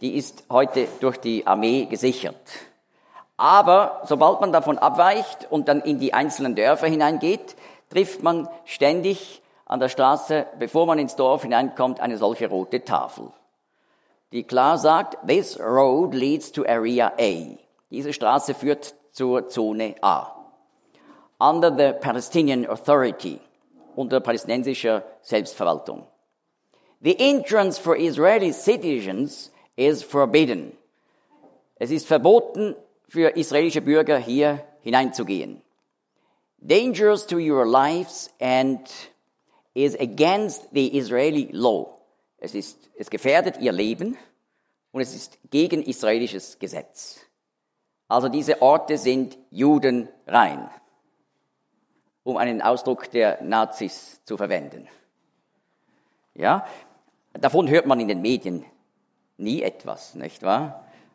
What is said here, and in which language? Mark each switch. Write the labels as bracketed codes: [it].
[de] Die ist heute durch die Armee gesichert. Aber sobald man davon abweicht und dann in die einzelnen Dörfer hineingeht, trifft man ständig an der Straße, bevor man ins Dorf hineinkommt, eine solche rote Tafel. die klar sagt, [en] this road leads to area A. [de] Diese Straße führt zur Zone A. [en] Under the Palestinian Authority, [de] unter palästinensischer Selbstverwaltung. [en] The entrance for Israeli citizens is forbidden. [de] Es ist verboten für israelische Bürger hier hineinzugehen. [en] Dangerous to your lives and is against the Israeli law. [de] Es gefährdet ihr Leben und es ist gegen israelisches Gesetz. Also diese Orte sind judenrein, um einen Ausdruck der Nazis zu verwenden. Ja, davon hört man in den Medien nie etwas, nicht wahr?